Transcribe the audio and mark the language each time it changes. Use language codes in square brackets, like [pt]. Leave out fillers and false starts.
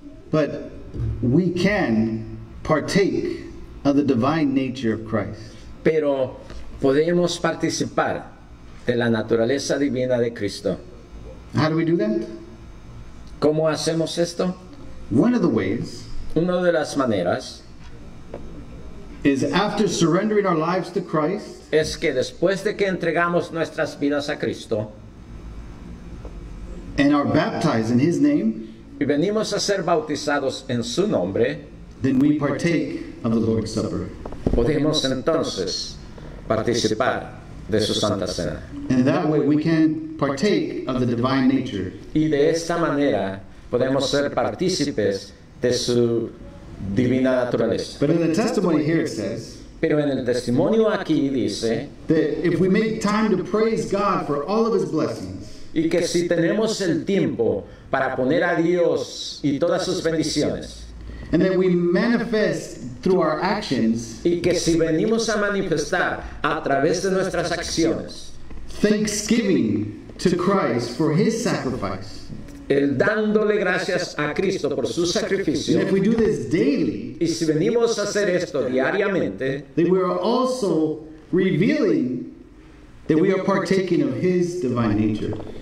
[en] But we can partake of the divine nature of Christ. [es] Pero podemos participar de la naturaleza divina de Cristo. [en] How do we do that? [es] ¿Cómo hacemos esto? [en] One of the ways, [es] una de las maneras, [en] is after surrendering our lives to Christ, [es] es que después de que entregamos nuestras vidas a Cristo, [en] and are baptized in his name, [es] y venimos a ser bautizados en su nombre, [en] then we partake of the Lord's Supper. [es] Podemos entonces participar de su Santa Cena. [en] And that way we can partake of the divine nature. [es] Y de esta manera podemos ser partícipes de su divina naturaleza. [en] But in the testimony here it says, [es] pero en el testimonio aquí dice, [en] that if we make time to praise God for all of his blessings, [es] y que si tenemos el tiempo para poner a Dios y todas sus bendiciones, [en] and that we manifest through our actions, [es] y que si venimos a manifestar a través de nuestras acciones, [en] thanksgiving to Christ for his sacrifice, [es] el dándole gracias a Cristo por su sacrificio, [en] and if we do this daily, [es] y si venimos a hacer esto diariamente, [en] then we are also revealing that we are partaking of his divine nature.